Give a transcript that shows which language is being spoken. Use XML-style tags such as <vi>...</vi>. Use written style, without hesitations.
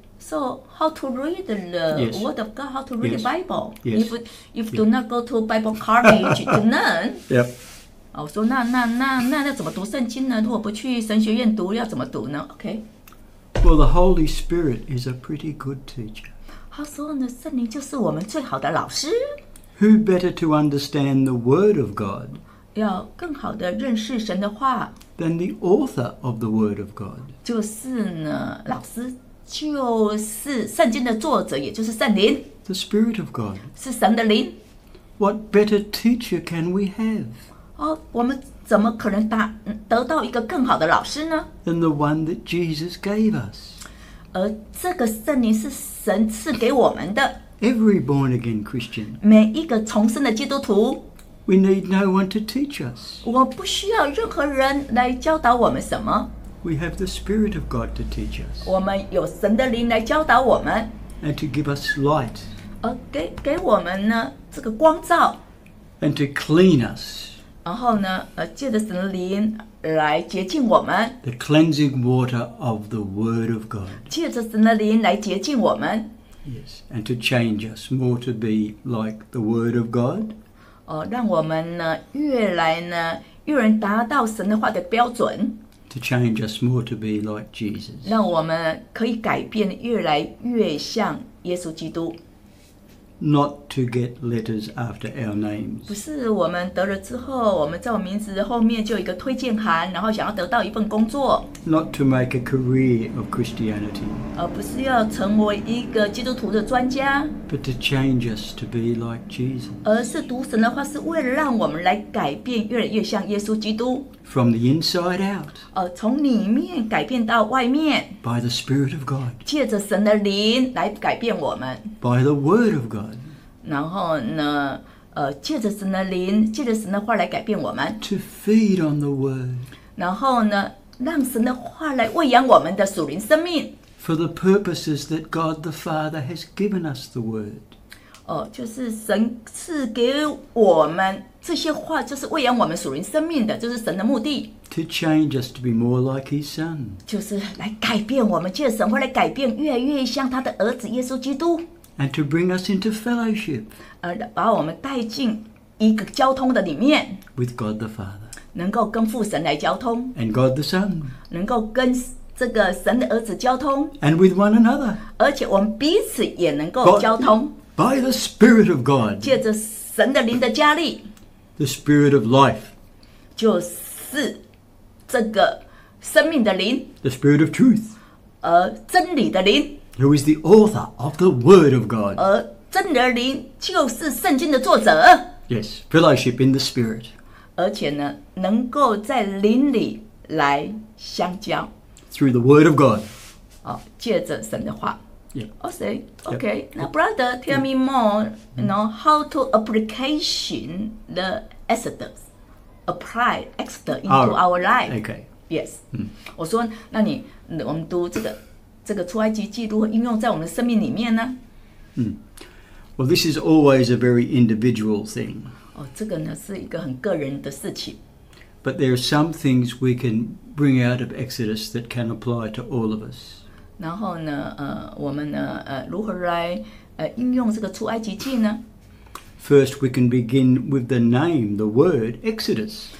<en>So, how to read the Word of God? How to read the Bible? Yes. If do not go to Bible college to learn. Yep.</en> <zh>我说那要怎么读圣经呢？如果不去神学院读，要怎么读呢 ？Okay.</zh> <en>Well, the Holy Spirit is a pretty good teacher.</en> <zh>他说呢，圣灵就是我们最好的老师。</zh> <en>Who better to understand the Word of God?</en> <zh>要更好的认识神的话。</zh> <en>Than the author of the Word of God.</en> <zh>就是呢，老师。就是圣经的作者，也就是圣灵。</zh> <en>The Spirit of God</en> <zh>是神的灵。</zh> <en>What better teacher can we have?</en> <zh>我们怎么可能得到一个更好的老师呢</zh> <en>？Than the one that Jesus gave us.</en> <zh>而这个圣灵是神赐给我们的。</zh> <en>Every born again Christian</en> <zh>每一个重生的基督徒</zh> <en>，We need no one to teach us.</en> <zh>我不需要任何人来教导我们什么。</zh> <en>We have the Spirit of God to teach us.</en> <zh>我们有神的灵来教导我们。</zh> <en>And to give us light.</en> <zh>给我们呢这个光照。</zh> <en>And to clean us.</en> <zh>然后呢，借着神的灵来洁净我们。</zh> <en>The cleansing water of the Word of God.</en> <zh>借着神的灵来洁净我们。</zh> <en>Yes, and to change us more to be like the Word of God.</en> <zh>让我们呢越来呢越能达到神的话的标准。</zh> <en>To change us more to be like Jesus.</en> <zh>让我们可以改变越来越像耶稣基督。</zh> <en>Not to get letters after our names.</en> <zh>不是我们得了之后，我们在我名字后面就有一个推荐函，然后想要得到一份工作。</zh> <en>Not to make a career of Christianity.</en> <zh>不是要成为一个基督徒的专家。</zh> <en>But to change us to be like Jesus.</en> <zh>而是读神的话，是为了让我们来改变越来越像耶稣基督。</zh> <en>From the inside out.</en> <zh>从里面改变到外面。</zh> <en>By the Spirit of God.</en> <zh>借着神的灵来改变我们。</zh> <en>By the Word of God.</en> <zh>然后呢，借着神的灵，借着神的话来改变我们。</zh> <en>To feed on the Word.</en> <zh>然后呢，让神的话来喂养我们的属灵生命。</zh> <en>For the purposes that God the Father has given us the Word.</en> <zh>就是神赐给我们。这些话就是喂养我们属灵生命的，就是神的目的。</zh> <en>To change us to be more like His Son，</en> <zh>就是来改变我们，借神会来改变，越来越像他的儿子耶稣基督。</zh> <en>And to bring us into fellowship，</en> <zh>把我们带进一个交通的里面。</zh> <en>With God the Father，</en> <zh>能够跟父神来交通。</zh> <en>And God the Son，</en> <zh>能够跟这个神的儿子交通。</zh> <en>And with one another，</en> <zh>而且我们彼此也能够交通。</zh> <en>By the Spirit of God，</en> <zh>借着神的灵的加力。</zh> <en>The Spirit of Life,</en> <zh>就是这个生命的灵。</zh> <en>The Spirit of Truth,</en> <zh>真理的灵。</zh> <en>Who is the author of the Word of God?</en> <zh>真理的灵就是圣经的作者。</zh> <en>Yes, fellowship in the Spirit.</en> <zh>而且呢，能够在灵里来相交。</zh> <en>Through the Word of God.</en> <zh>借着神的话。</zh> <en>Yeah. Oh, say, okay. Yeah. Now, brother, tell me more. You know how to application the Exodus, apply Exodus into our life. Okay. Yes.</en> <zh>我说，那你我们读这个出埃及记如何应用在我们的生命里面呢？</zh> <en>Well, this is always a very individual thing.</en> <zh>哦，这个呢是一个很个人的事情。</zh> <en>But there are some things we can bring out of Exodus that can apply to all of us.</en> <zh>然后呢，我们呢，如何来应用这个出埃及记呢？</zh> <en>First, we can begin with the name, the word Exodus.</en>